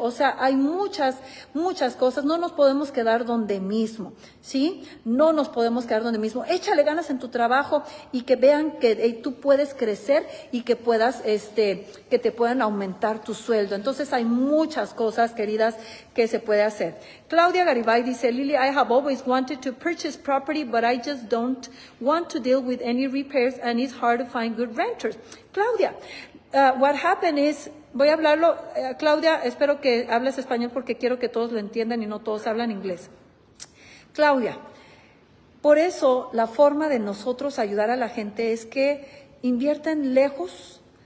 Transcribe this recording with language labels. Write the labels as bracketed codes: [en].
[es] O sea, hay muchas, muchas cosas. No nos podemos quedar donde mismo, ¿sí? No nos podemos quedar donde mismo. Échale ganas en tu trabajo y que vean que tú puedes crecer y que puedas, que te puedan aumentar tu sueldo. Entonces, hay muchas cosas, queridas, que se puede hacer. [en] Claudia Garibay dice, Lily, I have always wanted to purchase property, but I just don't want to deal with any repairs and it's hard to find good renters. [es] Claudia, [en] what happened is, [es] voy a hablarlo, Claudia, espero que hables español porque quiero que todos lo entiendan y no todos hablan inglés. Claudia, por eso la forma de nosotros ayudar a la gente es que invierten lejos.